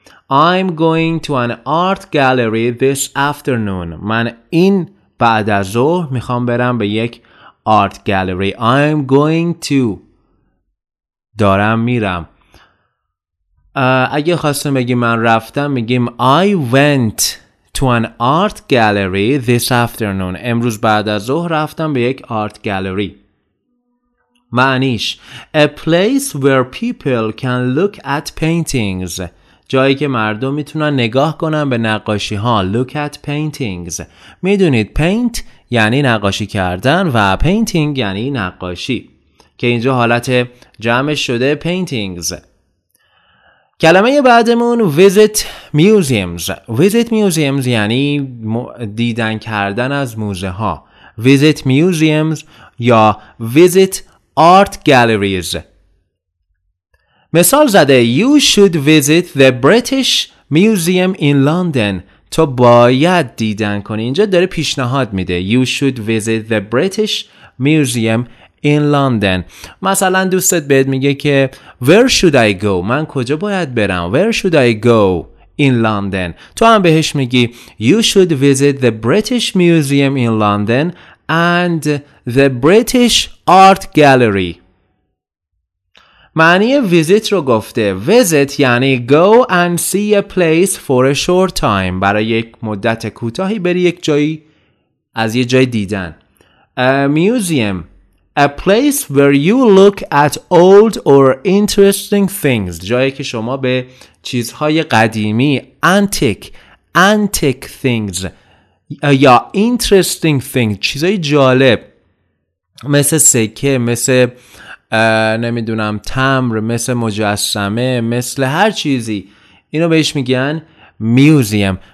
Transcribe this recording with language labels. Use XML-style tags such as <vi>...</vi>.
<en>I'm going to an art gallery this afternoon.</en> <fa>من این بعد از ظهر میخوام برم به یک</fa> <en>art gallery. I'm going to.</en> <fa>دارم میرم. اگه خواستم بگیم من رفتم، میگیم</fa> <en>I went to an art gallery this afternoon.</en> <fa>امروز بعد از ظهر رفتم به یک آرت گالری. معنیش</fa> <en>a place where people can look at paintings.</en> <fa>جایی که مردم میتونن نگاه کنن به نقاشی ها.</fa> <en>Look at paintings.</en> <fa>میدونید paint یعنی نقاشی کردن و painting یعنی نقاشی. که اینجا حالت جمع شده paintings. کلمه بعدمون</fa> <en>visit museums. Visit museums</en> <fa>یعنی دیدن کردن از موزه ها.</fa> <en>Visit museums</en> <fa>یا</fa> <en>visit art galleries.</en> <fa>مثال زده</fa> <en>You should visit the British Museum in London.</en> <fa>تو باید دیدن کنی. اینجا داره پیشنهاد میده.</fa> <en>You should visit the British Museum in London.</en> <fa>مثلا دوستت بهت میگه که</fa> <en>Where should I go?</en> <fa>من کجا باید برم?</fa> <en>Where should I go in London?</en> <fa>تو هم بهش میگی</fa> <en>You should visit the British Museum in London and the British Art Gallery.</en> <fa>معنی visit رو گفته.</fa> <en>Visit</en> <fa>یعنی</fa> <en>go and see a place for a short time.</en> <fa>برای یک مدت کوتاهی بری یک جایی از یه جای دیدن.</fa> <en>A museum. A place where you look at old or interesting things.</en> <fa>جایی که شما به چیزهای قدیمی.</fa> <en>Antique things.</en> <fa>یا</fa> <en>interesting things.</en> <fa>چیزهای جالب. مثل سکه. مثل نمیدونم تمر، مثل مجسمه، مثل هر چیزی، اینو بهش میگن میوزیم.</fa>